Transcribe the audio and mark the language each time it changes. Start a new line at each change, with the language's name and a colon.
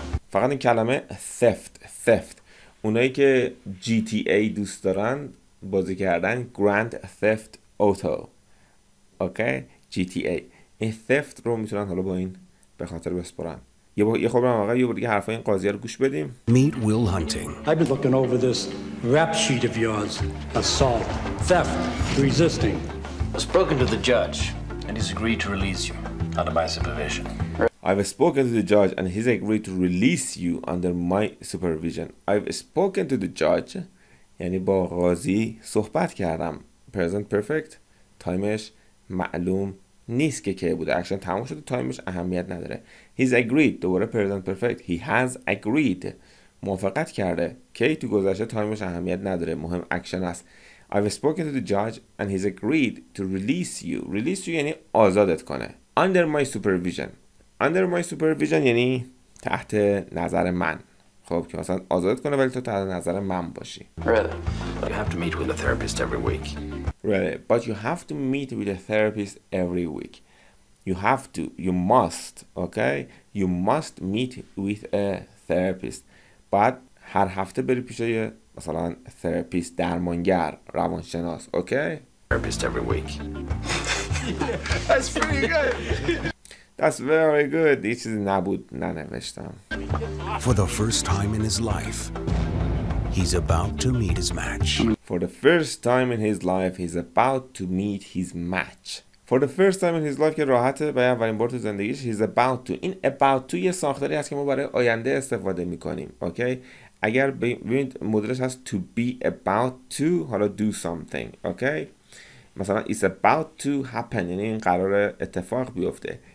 Persian: فقط این کلمه theft، اونایی که GTA دوست دارن بازی کردن Grand Theft Auto، اوکی GTA، این theft رو میتونن حالا با این به خاطر بسپرن. یه خبر هم آقا، یه بار دیگه حرفای این قاضی رو گوش بدیم.
English: Meet Will Hunting. I've been looking over this rap sheet of yours. Assault, theft, resisting. I've spoken to the judge and he's agreed to release you under my supervision. I've spoken to the judge and he's agreed to release you under my supervision. I've spoken to the judge
Persian: یعنی با قاضی صحبت کردم. Present perfect، تایمش معلوم نیست که کی بوده، اکشن تموم شده، تایمش اهمیت نداره.
English: He's agreed،
Persian: دوباره
English: present perfect، he has agreed،
Persian: موافقت کرده. کی تو گذشته، تایمش اهمیت نداره، مهم اکشن است.
English: I've spoken to the judge and he's agreed to release you. Release you
Persian: یعنی آزادت کنه. Under my supervision،
English: under my supervision
Persian: یعنی تحت نظر من، خب که مثلا آزادت کنه ولی تو تحت نظر من باشی.
English: Really? You have to meet with a therapist every week. Really? But you have to meet with a therapist every week. You have to. You must. Okay? You must meet with a therapist.
Persian: بعد هر هفته بری پیش یه مثلا therapist، درمانگر، روانشناس.
English: Okay? Therapist every week. That's pretty good. That's very good.
Persian: یه چیزی نبود ننوشتم.
English: For the first time in his life, he's about to meet his match. For the first time in his life, he's about to meet his match. For the first time in his life
Persian: که راحته، برای اولین بار تو زندگیش.
English: He's about to.
Persian: این about to یه ساختاری هست که ما برای آینده استفاده میکنیم. Okay؟ اگر ببینید مدلش هست
English: to be about to،
Persian: حالا
English: do something.
Persian: Okay؟ مثلا
English: it's about to happen،
Persian: یعنی این قرار اتفاق بیفته.